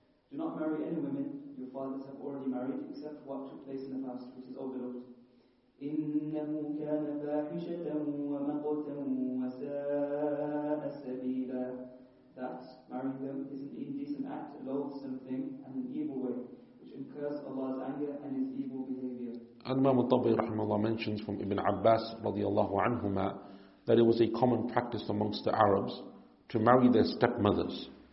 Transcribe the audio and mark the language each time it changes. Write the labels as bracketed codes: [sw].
[en] Do not marry any women your fathers have already married, except what took place in the past, which is overlooked. [ar] إنه كان فاحشة ومقتا وساء سبيلا. [en] That marrying them is an indecent act, loathsome thing, and an evil way, which incurs Allah's anger and his evil behavior. Al-Imam al-Tabari rahimahullah mentions from Ibn Abbas radiallahu anhuma that it was a common practice amongst the Arabs to marry their stepmothers.